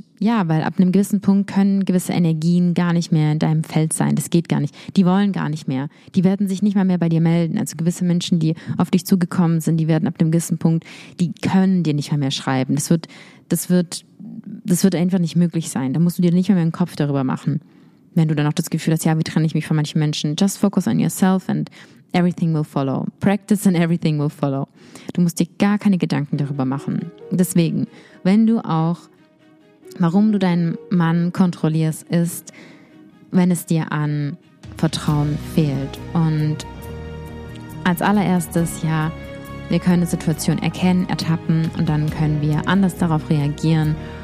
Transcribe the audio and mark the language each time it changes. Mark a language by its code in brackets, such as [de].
[de] ab einem gewissen Punkt können gewisse Energien gar nicht mehr in deinem Feld sein, das geht gar nicht, die wollen gar nicht mehr, die werden sich nicht mal mehr bei dir melden, also gewisse Menschen, die auf dich zugekommen sind, die werden ab einem gewissen Punkt, die können dir nicht mal mehr schreiben, das wird einfach nicht möglich sein. Da musst du dir nicht mehr einen Kopf darüber machen. Wenn du dann auch das Gefühl hast, ja, wie trenne ich mich von manchen Menschen? [en] Just focus on yourself and everything will follow. Practice and everything will follow. [de] Du musst dir gar keine Gedanken darüber machen. Deswegen, wenn du auch, warum du deinen Mann kontrollierst, ist, wenn es dir an Vertrauen fehlt. Und als allererstes, ja, wir können die Situation erkennen, ertappen und dann können wir anders darauf reagieren.